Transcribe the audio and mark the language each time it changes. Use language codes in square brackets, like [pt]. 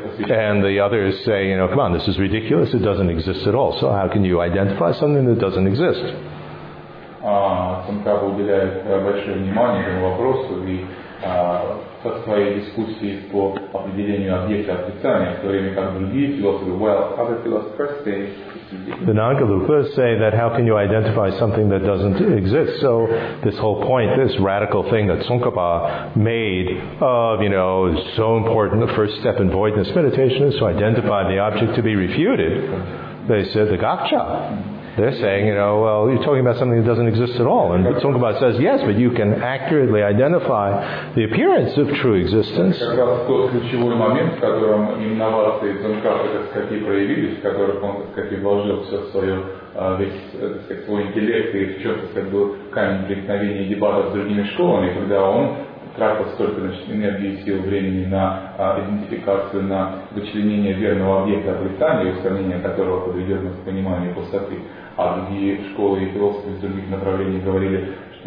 [en] And the others say, you know, come on, this is ridiculous, it doesn't exist at all. So how can you identify something that doesn't exist? [ru] Tsongkhapa уделяет большое внимание этому вопросу и со своей дискуссией по определению объекта отрицания, в то время как другие философы, [en] well, other philosophers say, the Nagalupas say that how can you identify something that doesn't exist? So this whole point, this radical thing that Tsongkhapa made of, you know, is so important, the first step in voidness meditation is to identify the object to be refuted. They said the Gakcha. They're saying, you know, well, you're talking about something that doesn't exist at all. And Tsongkhapa says, yes, but you can accurately identify the appearance of true existence. [ru] Как раз тот ключевой момент, в котором инновации Tsongkhapa, так сказать, проявились, в которых он, так сказать, вложил все свое, весь, так сказать, свой интеллект, и в чем, так сказать, был камень преткновения и дебатов с другими школами, когда он тратил столько, значит, энергии, сил, времени на идентификацию, на вычленение верного объекта отрицания, устранение которого подведет нас к пониманию пустоты. А другие школы и философы из других направлений говорили, что